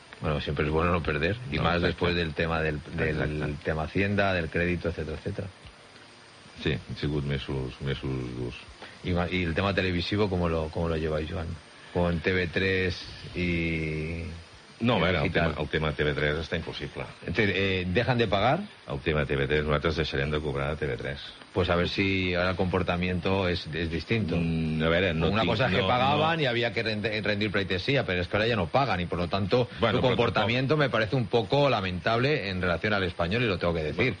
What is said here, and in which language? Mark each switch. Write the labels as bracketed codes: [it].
[es] Bueno, siempre es bueno no perder, y no, más exacte. Después del tema del tema Hacienda, del crédito, etcètera. [ca] Sí, han sigut mesos durs. [es] I el tema televisivo, ¿cómo lo lleváis, Joan? Con TV3 y... [ca] No, a veure, el tema TV3 està impossible. [es] Dejan de pagar? [ca] El tema TV3, nosaltres deixarem de cobrar a TV3. [es] Pues a ver si ahora el comportamiento es distinto. [ca] A veure, no. Una cosa no, [es] es que pagaban no. Y había que rendir pleitesía, pero es que ahora ya no pagan, y por lo tanto, bueno, tu comportamiento me parece un poco lamentable en relación al Español, y lo tengo que decir.